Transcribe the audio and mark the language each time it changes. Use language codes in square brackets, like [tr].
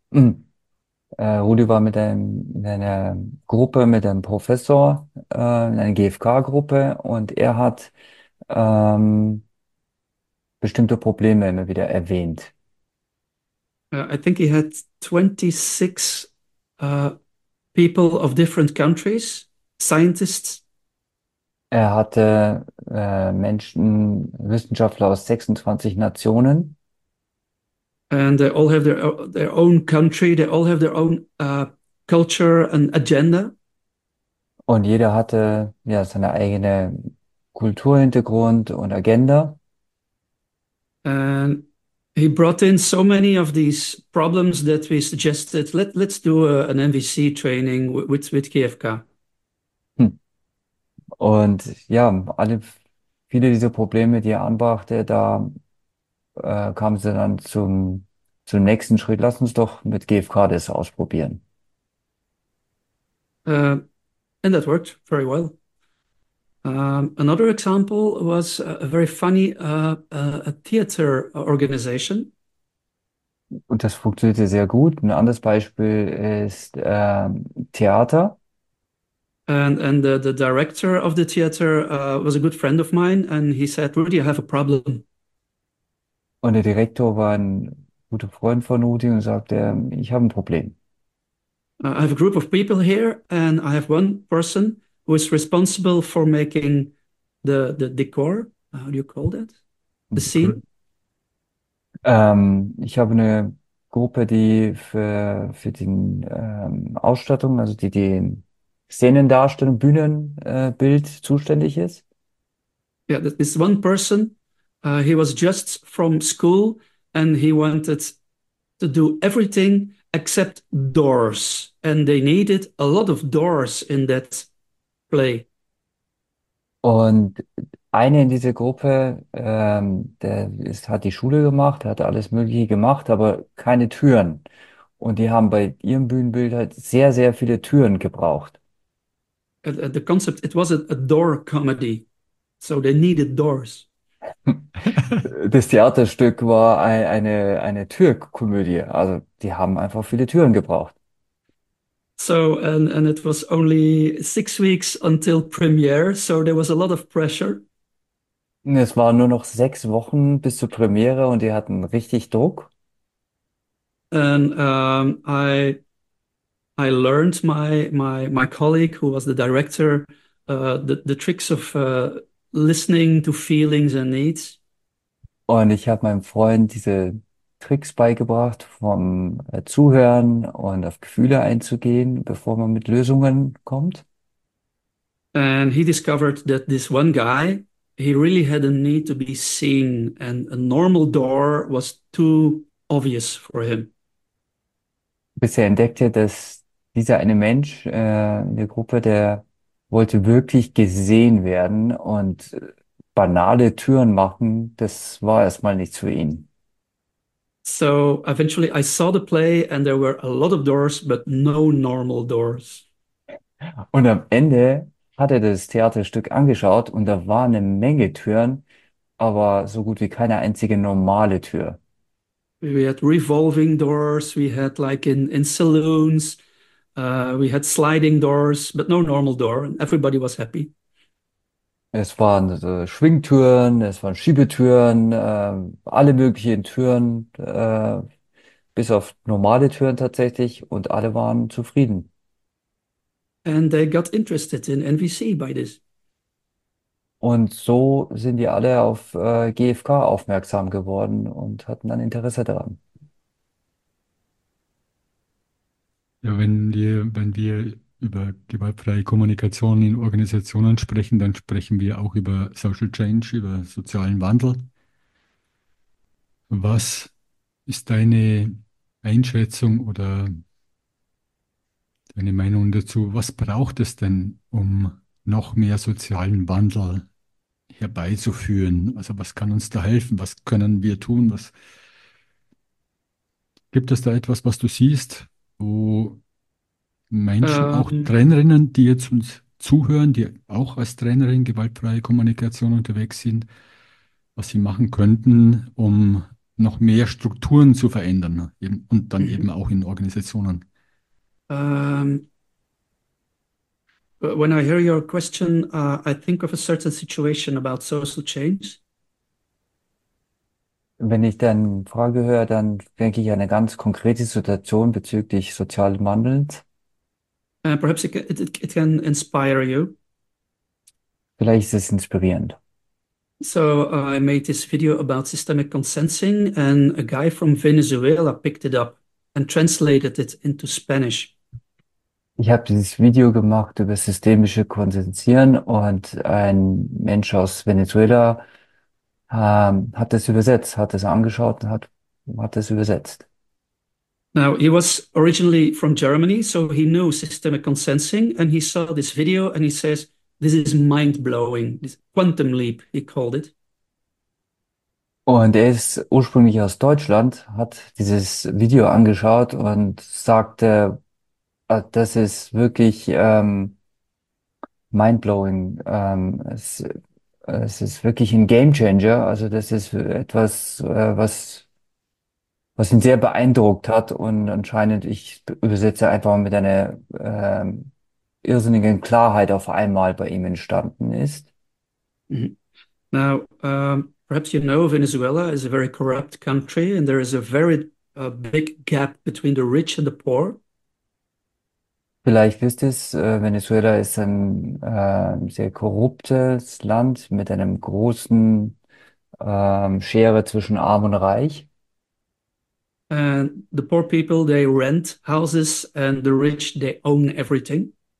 [de] Rudi war in einer Gruppe mit einem Professor, in einer GFK-Gruppe und er hat bestimmte Probleme immer wieder erwähnt. [en] I think he had 26 people of different countries, scientists. [de] Er hatte Menschen, Wissenschaftler aus 26 Nationen. [en] And they all have their own country, they all have their own culture and agenda. [de] Und jeder hatte ja seine eigene Kulturhintergrund und Agenda. [en] And he brought in so many of these problems that we suggested, let's do an MVC training with GFK. [de] Und ja, viele dieser Probleme, die er anbrachte, da kamen sie dann zum nächsten Schritt. Lass uns doch mit GFK das ausprobieren. [en] And that worked very well. Another example was a very funny a theater organization. [de] Und das funktionierte sehr gut. Ein anderes Beispiel ist Theater. [en] And the director of the theater was a good friend of mine, and he said, "Rudy, I have a problem." [de] Und der Direktor war ein guter Freund von Rudi und sagte, ich habe ein Problem. [en] I have a group of people here, and I have one person who is responsible for making the decor. How do you call that? The scene? [de] Ich habe eine Gruppe, die für die Ausstattung, also die Szenendarstellung, Bühnenbild zuständig ist. [en] Yeah, this is one person. He was just from school, and he wanted to do everything except doors, and they needed a lot of doors in that play. [de] Und eine in dieser Gruppe, hat die Schule gemacht, hat alles Mögliche gemacht, aber keine Türen. Und die haben bei ihrem Bühnenbild halt sehr, sehr viele Türen gebraucht. [en] The concept, it was a door comedy, so they needed doors. [de] Das Theaterstück war eine Türkomödie. Also die haben einfach viele Türen gebraucht. [en] So, and it was only 6 weeks until premiere, so there was a lot of pressure. [de] Es waren nur noch 6 Wochen bis zur Premiere und die hatten richtig Druck. [en] And I learned my colleague, who was the director, the tricks of listening to feelings and needs. [de] Und ich habe meinem Freund diese Tricks beigebracht, vom Zuhören und auf Gefühle einzugehen, bevor man mit Lösungen kommt. [en] And he discovered that this one guy, he really had a need to be seen, and a normal door was too obvious for him. [de] Bis er entdeckte, dass dieser eine Mensch in der Gruppe, der wollte wirklich gesehen werden und banale Türen machen, das war erstmal nichts für ihn. [en] So eventually I saw the play, and there were a lot of doors, but no normal doors. [de] Und am Ende hat er das Theaterstück angeschaut und da war eine Menge Türen, aber so gut wie keine einzige normale Tür. [en] We had revolving doors, we had like in saloons, we had sliding doors, but no normal door, and everybody was happy. [de] Es waren Schwingtüren, es waren Schiebetüren, alle möglichen Türen, bis auf normale Türen tatsächlich, und alle waren zufrieden. [en] And they got interested in NVC by this. [de] Und so sind die alle auf GFK aufmerksam geworden und hatten ein Interesse daran. Ja, wenn wir über gewaltfreie Kommunikation in Organisationen sprechen, dann sprechen wir auch über Social Change, über sozialen Wandel. Was ist deine Einschätzung oder deine Meinung dazu? Was braucht es denn, um noch mehr sozialen Wandel herbeizuführen? Also was kann uns da helfen? Was können wir tun? Was gibt es da etwas, was du siehst, wo Menschen, auch Trainerinnen, die jetzt uns zuhören, die auch als Trainerin gewaltfreie Kommunikation unterwegs sind, was sie machen könnten, um noch mehr Strukturen zu verändern, eben, und dann eben auch in Organisationen? [en] When I hear your question, I think of a certain situation about social change. [de] Wenn ich deine Frage höre, dann denke ich an eine ganz konkrete Situation bezüglich sozialen Wandels. [en] Perhaps it can inspire you. [de] Vielleicht ist es inspirierend. [en] So I made this video about systemic consensing, and a guy from Venezuela picked it up and translated it into Spanish. [de] Ich habe dieses Video gemacht über systemische Konsensieren und ein Mensch aus Venezuela hat es übersetzt, hat es angeschaut und hat es übersetzt. [en] Now, he was originally from Germany, so he knew systemic consensing, and he saw this video and he says, "This is mind-blowing, this quantum leap," he called it. [de] Und er ist ursprünglich aus Deutschland, hat dieses Video angeschaut und sagte, das ist wirklich mindblowing. Es ist wirklich ein Game Changer. Also das ist etwas, was ihn sehr beeindruckt hat. Und anscheinend, ich übersetze einfach mit einer irrsinnigen Klarheit auf einmal bei ihm entstanden ist. [en] Now, perhaps you know Venezuela is a very corrupt country, and there is a very big gap between the rich and the poor. [de] Vielleicht wisst ihr es, Venezuela ist ein sehr korruptes Land mit einem großen Schere zwischen Arm und Reich. [en] And the poor people, they rent houses, and the rich, they own everything.